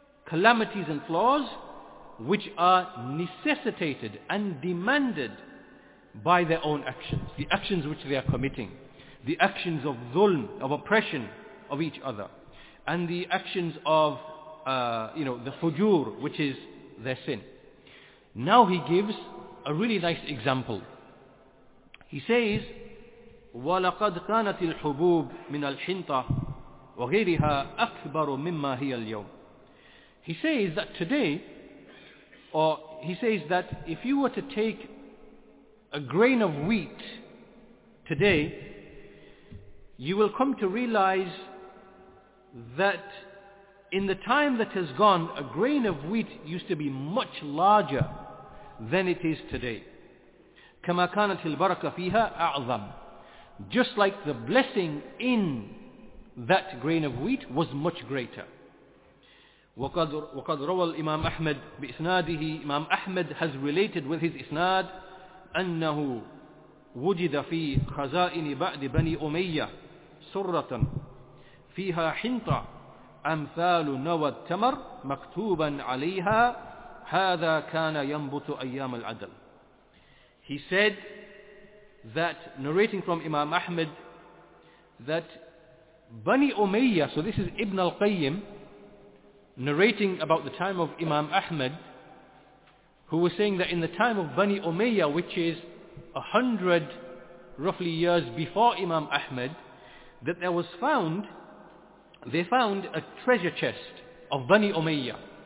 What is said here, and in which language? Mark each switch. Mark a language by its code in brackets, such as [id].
[en] calamities and flaws which are necessitated and demanded by their own actions, the actions which they are committing, the actions of dhulm, of oppression of each other, and the actions of the fujur, which is their sin. Now he gives a really nice example. He says, [ar] وَلَقَدْ كَانَتِ الْحُبُوبُ مِنَ الْحِنْطَةِ وَغَيْرِهَا أَكْبَرُ مِمَّا هِيَ الْيَوْمِ. [en] He says that today, or he says that if you were to take a grain of wheat today, you will come to realize that in the time that has gone, a grain of wheat used to be much larger than it is today. [ar] كَمَا كَانَتِ الْبَرَكَةِ فِيهَا أَعْظَمُ. [en] Just like the blessing in that grain of wheat was much greater. [ar] وَقَدْ رَوَى الْإِمَامُ أَحْمَدُ بِإِسْنَادِهِ. [en] Imam Ahmad has related with his isnad, [ar] أَنَّهُ وُجِدَ فِي خَزَائِنِ بَعْدِ بَنِي أُمَيَّةِ سُرَّةً فِيهَا حِنْطَةً أمثال نوى التمر مكتوبا عليها هذا كان ينبت أيام العدل. [en] He said that, narrating from Imam Ahmad, that Bani Umayyah, so this is Ibn al-Qayyim narrating about the time of Imam Ahmad, who was saying that in the time of Bani Umayyah, which is 100 roughly years before Imam Ahmad, that there was found, they found a treasure chest of Bani Umayyah.